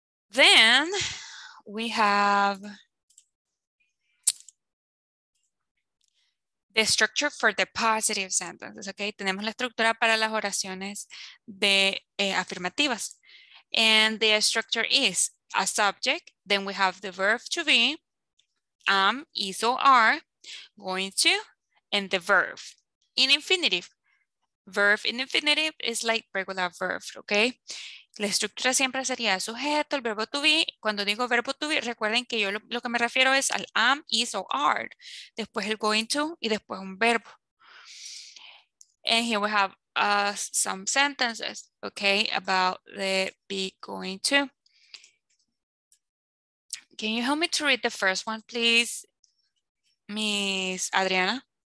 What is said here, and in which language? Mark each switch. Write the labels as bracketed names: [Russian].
[English] Then we have the structure for the positive sentences, okay? [Spanish] Tenemos la estructura para las oraciones de afirmativas. [English] And the structure is a subject, then we have the verb to be, am, is or are, going to, and the verb in infinitive. Verb in infinitive is like regular verb, okay? [Spanish] La estructura siempre sería sujeto, el verbo to be. Cuando digo verbo to be, recuerden que yo lo que me refiero es al am, is or are, después el going to y después un verbo. [English] And here we have some sentences, okay, about the be going to. Can you help me to read the first one, please, Miss Adriana?